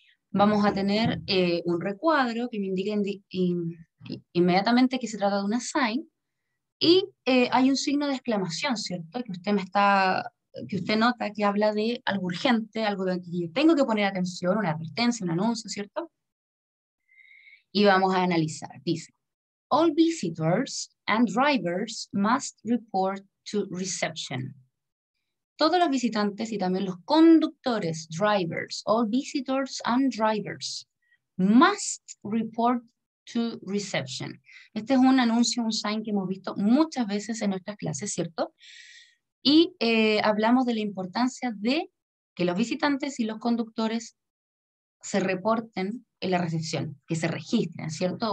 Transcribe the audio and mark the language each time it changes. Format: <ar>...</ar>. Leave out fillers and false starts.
<es>Vamos a tener un recuadro que me indica inmediatamente que se trata de un assign y hay un signo de exclamación, ¿cierto? Que usted nota que habla de algo urgente, algo de que tengo que poner atención, una advertencia, un anuncio, ¿cierto? Y vamos a analizar.</es> <en>Dice: All visitors and drivers must report to reception.</en> <es>Todos los visitantes y también los conductores, drivers,</es> <en>all visitors and drivers must report to reception.</en> <es>Este es un anuncio, un sign que hemos visto muchas veces en nuestras clases, ¿cierto? Y hablamos de la importancia de que los visitantes y los conductores se reporten en la recepción, que se registren, ¿cierto?</es>